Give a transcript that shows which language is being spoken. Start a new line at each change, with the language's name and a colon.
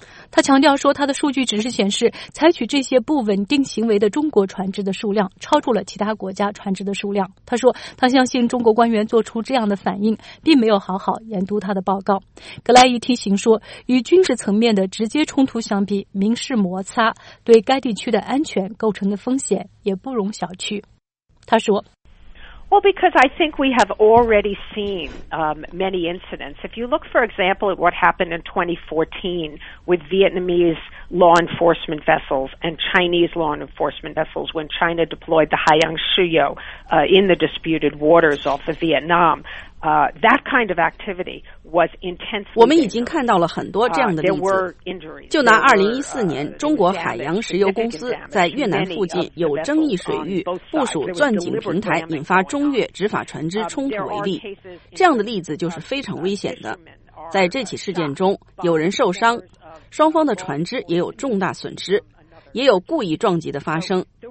Chinese: 他强调说，他的数据只是显示采取这些不稳定行为的中国船只的数量超出了其他国家船只的数量。他说他相信中国官员做出这样的反应并没有好好研读他的报告。格莱伊提醒说，与军事层面的直接冲突相比，民事摩擦对该地区的安全构成的风险也不容小觑。他说
English: Well, because I think we have already seen many incidents. If you look, for example, at what happened in 2014 with Vietnamese law enforcement vessels and Chinese law enforcement vessels when China deployed the Haiyang Shuyo in the disputed waters off of Vietnam, that kind of activity was intense.
Chinese: 我们已经看到了很多这样的例子。就拿2014年中国海洋石油公司在越南附近有争议水域部署钻井平台引发中越执法船只冲突为例，这样的例子就是非常危险的。在这起事件中有人受伤，双方的船只也有重大损失，也有故意撞击的发生。